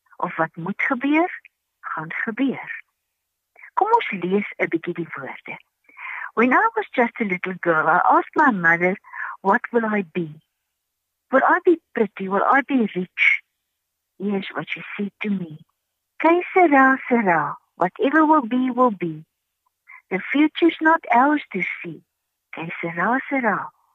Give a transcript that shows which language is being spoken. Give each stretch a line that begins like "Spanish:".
Afrikaans: Of wat moet gebeur, gaan gebeur. Kom ons lees 'n bietjie die woorde.
English: When I was just a little girl, I asked my mother, what will I be? Will I be pretty? Will I be rich? Here's what she said to me.
Spanish: Que sera, sera.
English: Whatever will be, will be. The future's not ours to see.
Spanish: Que sera, sera.